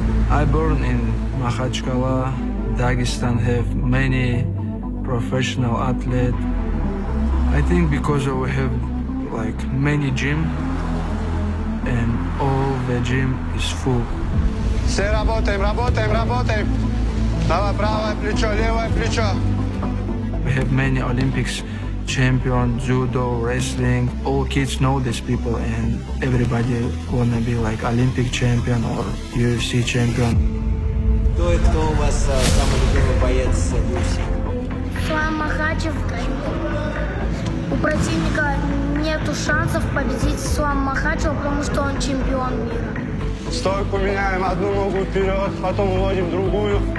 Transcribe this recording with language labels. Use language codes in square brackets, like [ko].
[en] I born in Makhachkala, Dagestan, have many professional athletes. I think because we have like many gym and all the gym is full. [ru] Все работаем, работаем, работаем. Давай правое плечо, левое плечо. [en] We have many Olympics champion, judo, wrestling. All kids know these people and everybody wanna be like Olympic champion or UFC champion. [ru] Кто и кто у вас самый любимый боец UFC? Ислам Махачев. У противника нету шансов победить Ислам Махачева, потому что он чемпион мира. Стойку меняем, одну ногу вперед, потом вводим другую.